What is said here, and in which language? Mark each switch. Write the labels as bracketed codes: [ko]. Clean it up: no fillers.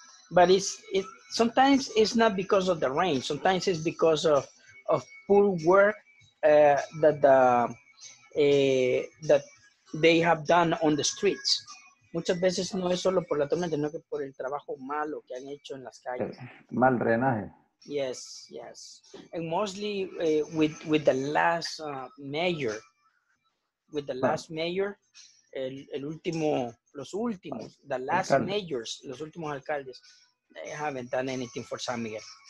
[en] But it sometimes it's not because of the rain. Sometimes it's because of poor work that they have done on the streets. [es] Muchas veces no es solo por la tormenta, sino que por el trabajo malo que han hecho en las calles. Mal drenaje. [en] Yes, yes. And mostly with the last mayor, with the last mayor, [es] los últimos alcaldes, [en] they haven't done anything for San Miguel.